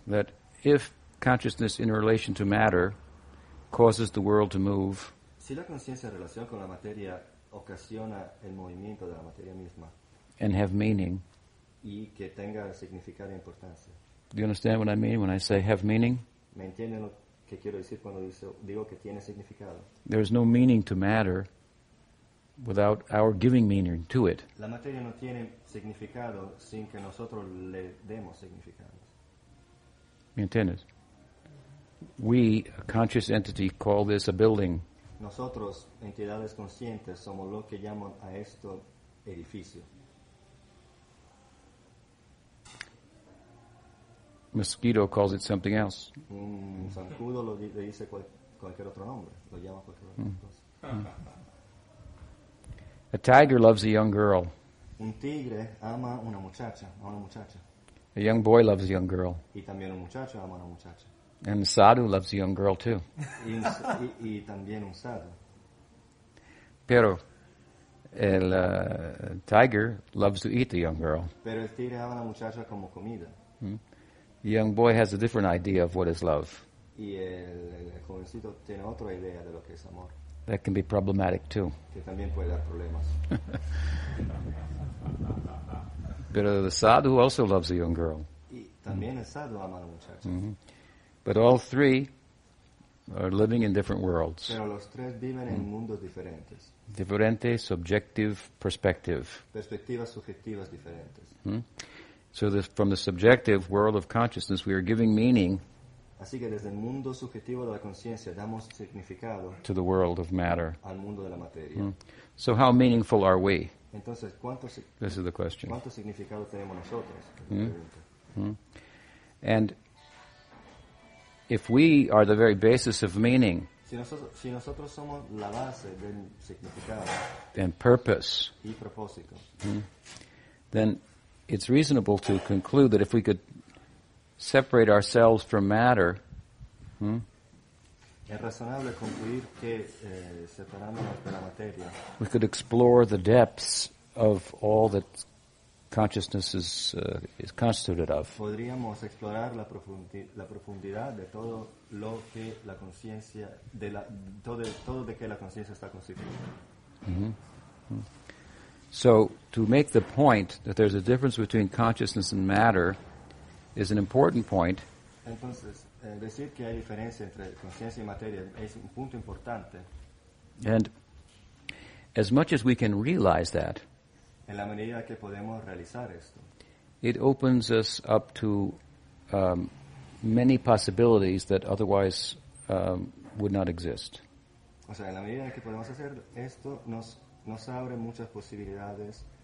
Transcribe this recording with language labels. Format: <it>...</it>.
<en>that if consciousness in relation to matter causes the world to move,</en> <es>si la conciencia en relación con la materia ocasiona el movimiento de la materia misma,</es> <en>and have meaning,</en> <es>y que tenga significado e importancia.</es> <en>Do you understand what I mean when I say have meaning?</en> <es>¿Me entienden lo que quiero decir cuando digo que tiene significado? There is no meaning to matter without our giving meaning to it. La materia no tiene significado sin que nosotros le demos significado. ¿Me entiendes?</es> <en>We, a conscious entity, call this a building.</en> <es>Nosotros, entidades conscientes, somos lo que llaman a esto edificio.</es> <en>Mosquito calls it something else.</en> <es>Zancudo lo dice cualquier otro nombre. Lo llama cualquier otra cosa.</es> <en>A tiger loves a young girl.</en> <es>Un tigre ama una muchacha, a una muchacha.</es> <en>A young boy loves a young girl.</en> <es>Y también un muchacho ama una muchacha.</es> <en>And a sadhu loves a young girl too.</en> <es>y también un sadhu. Pero el</es> <en>tiger loves to eat the young girl.</en> <es>Pero el tigre ama a la muchacha como comida.</es> <en>The young boy has a different idea of what is love.</en> <es>Y el jovencito tiene otra idea de lo que es amor.</es> <en>That can be problematic too.</en> <es>Que también puede dar problemas.</es> <en>But the sadhu also loves a young girl.</en> <es>Y también el sadhu ama a la muchacha.</es> <en>But all three are living in different worlds.</en> <es>Pero los tres viven en mundos diferentes. Diferente</es> <en>subjective perspective.</en> <es>Perspectivas subjetivas diferentes.</es> <en>So this, from the subjective world of consciousness, we are giving meaning.</en> <es>Así que desde el mundo subjetivo de la conciencia damos significado</es> <en>to the world of matter.</en> <es>Al mundo de la materia.</es> <en>So how meaningful are we?</en> <es>Entonces, ¿cuánto</es> <en>this is the question.</en> <es>¿Cuánto significado tenemos nosotros?</es> <en>And if we are the very basis of meaning,</en> <es>si nosotros somos la base del significado,</es> <en>and purpose,</en> <es>y propósito,</es> <en>then it's reasonable to conclude that if we could separate ourselves from matter,</en> <es>es razonable concluir que separándonos de la materia,</es> <en>we could explore the depths of all that consciousness is constituted of.</en> <es>Podríamos explorar la profundidad de todo lo que la conciencia de la todo de que la conciencia está constituida.</es> <en>So to make the point that there's a difference between consciousness and matter is an important point.</en> <es>Entonces, decir que hay diferencia entre conciencia y materia es un punto importante.</es> <en>And as much as we can realize that,</en> <es>en la medida que podemos realizar esto,</es> <en>it opens us up to many possibilities that otherwise would not exist.</en> <es>O sea, en la medida que podemos hacer esto, nos abre muchas posibilidades</es>